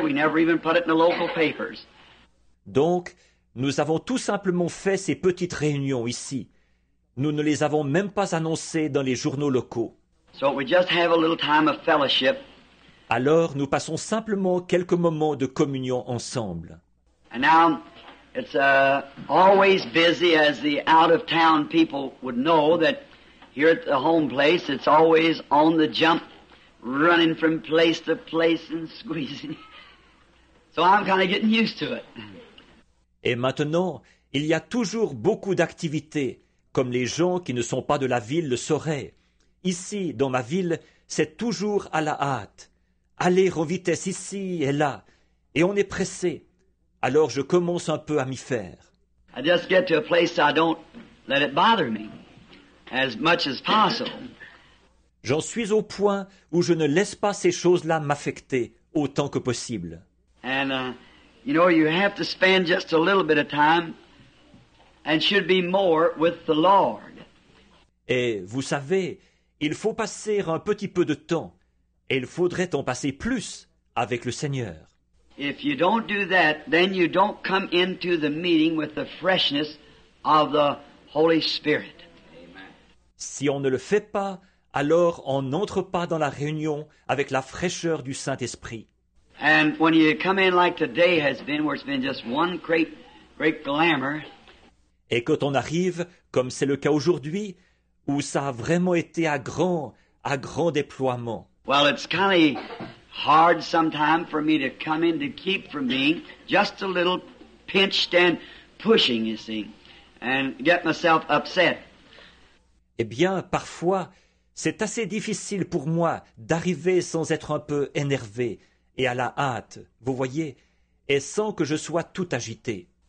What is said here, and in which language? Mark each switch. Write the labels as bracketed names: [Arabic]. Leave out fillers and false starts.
[English] We never even put it in the local papers. [French] Donc, nous avons tout simplement fait ces petites réunions ici. Nous ne les avons même pas annoncées dans les journaux locaux. [English] So we just have a little time of fellowship. [French] Alors, nous passons simplement quelques moments de communion ensemble. [English] And now, it's always busy, as the out-of-town people would know, that here at the home place, it's always on the jump, running from place to place and squeezing. So I'm kind of getting used to it. [French] Et maintenant, il y a toujours beaucoup d'activités, comme les gens qui ne sont pas de la ville le sauraient. Ici, dans ma ville, c'est toujours à la hâte. Aller en vitesse ici et là, et on est pressé. Alors je commence un peu à m'y faire. [English] I just get to a place so I don't let it bother me as much as possible. [French] J'en suis au point où je ne laisse pas ces choses-là m'affecter autant que possible. [English] And you know, you have to spend just a little bit of time, and should be more with the Lord. [French] Et vous savez, il faut passer un petit peu de temps, et il faudrait en passer plus avec le Seigneur. [English] If you don't do that, then you don't come into the meeting with the freshness of the Holy Spirit. [French] Si on ne le fait pas, alors on n'entre pas dans la réunion avec la fraîcheur du Saint-Esprit. [English] And when you come in like today has been, where it's been just one great glamour. [French] Et quand on arrive, comme c'est le cas aujourd'hui, où ça a vraiment été à grand déploiement. [English] Well, it's kind of hard sometimes for me to come in to keep from being just a little pinched and pushing, you see, and get myself upset. [French] Eh bien, parfois, c'est assez difficile pour moi d'arriver sans être un peu énervé et à la hâte, vous voyez, et sans que je sois tout agité.